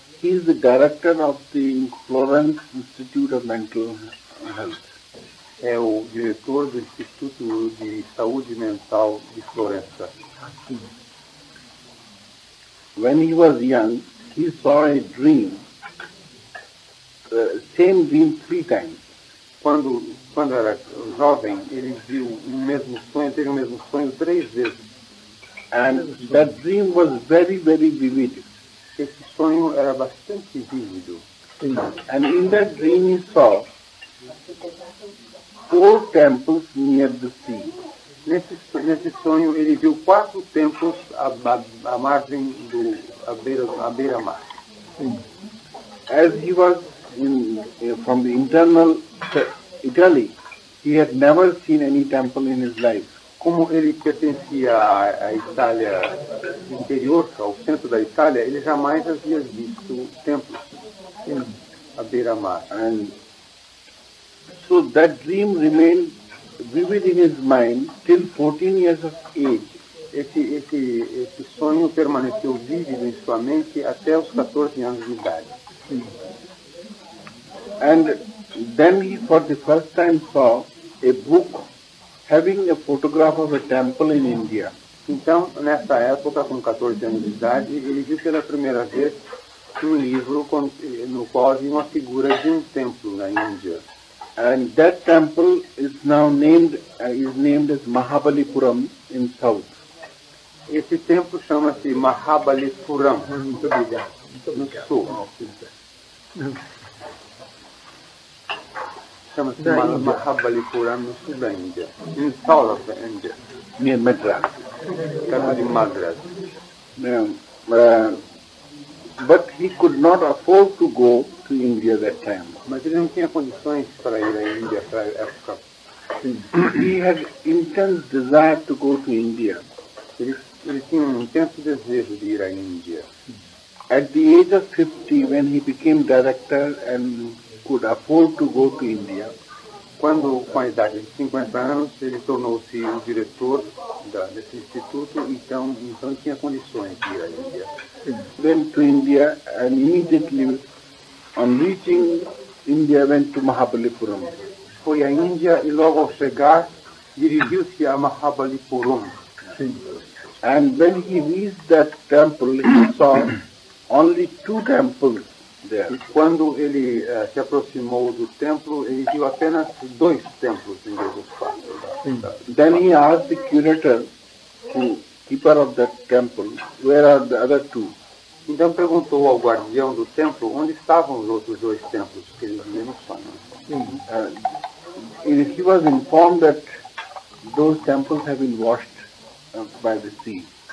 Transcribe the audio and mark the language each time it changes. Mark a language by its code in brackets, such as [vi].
[en] He is the director of the Florence Institute of Mental Health. [pt] É o diretor do Instituto de Saúde Mental de Florença. [en] When he was young, he saw a dream, the same dream three times. [pt] Quando era jovem, ele viu o mesmo sonho, teve o mesmo sonho três vezes. [en] And that dream was very, very vivid. [pt] Esse sonho era bastante vívido. [en] And in that dream he saw four temples near the sea. [pt] Nesse sonho ele viu quatro templos à margem do à beira mar. [en] As he was from the internal Italy, he had never seen any temple in his life. [pt] Como ele pertencia à Itália interior, ao centro da Itália, ele jamais havia visto templos à beira mar. [en] And so that dream remained vivid in his mind till 14 years of age. [pt] Esse sonho permaneceu vívido em sua mente até os 14 anos de idade. [en] And then he for the first time saw a book having a photograph of a temple in India. [pt] Então, nessa época, com 14 anos de idade, ele viu pela primeira vez um livro no qual havia uma figura de um templo na Índia. [en] And that temple is now named as Mahabalipuram in South. [pt] Esse templo chama-se Mahabalipuram. Muito obrigado. No Sul. Chama-se Mahabalipuram no Sul da Índia. [en] In South of the India. Near Madras. [pt] Chama de Madras. [en] But he could not afford to go to India that time. [pt] Mas ele não tinha condições para ir à Índia para a época. [en] He had intense desire to go to India. [pt] Ele tinha um intenso desejo de ir à Índia. [en] At the age of 50, when he became director and could afford to go to India, [pt] quando com a idade de 50 anos ele tornou-se o diretor desse instituto, então tinha condições de ir à Índia. [en] Went to India and immediately, on reaching India, went to Mahabalipuram. [pt] Foi à Índia e logo ao chegar dirigiu-se a Mahabalipuram. [en] And when he reached that temple, he saw only two temples there. [pt] E quando ele se aproximou do templo, ele viu apenas dois templos em vez dos quatro. [en] Then he asked the curator, the keeper of that temple, where are the other two? [pt] Então perguntou ao guardião do templo onde estavam os outros dois templos que ele viu no sonho. [en] And he was informed that those temples have been washed by the sea.